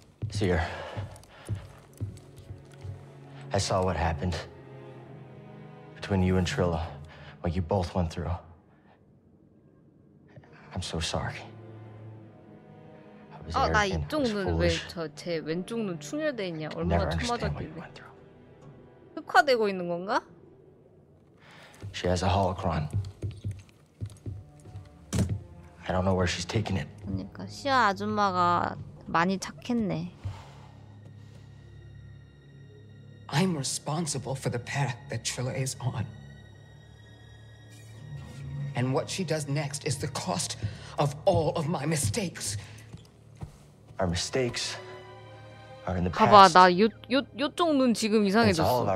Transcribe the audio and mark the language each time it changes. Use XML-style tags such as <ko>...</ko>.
<en>시어, I saw what happened between you and Trilla, what you both went through. I'm so sorry.</en> <ko>아, 나 이쪽 눈 왜 저 제 왼쪽 눈 충혈돼 있냐? 얼마나 총 맞았길래? 흑화되고 있는 건가?</ko> <en>She has a holocron. I don't know where she's taking it.</en> <ko>그러니까 시아 아줌마가 많이 착했네.</ko> <en>I'm responsible for the path that Trilla is on. And what she does next is the cost of all of my mistakes. Our mistakes are in the past.</en> <ko>봐봐, 나 요쪽 눈 지금 이상해졌어.</ko>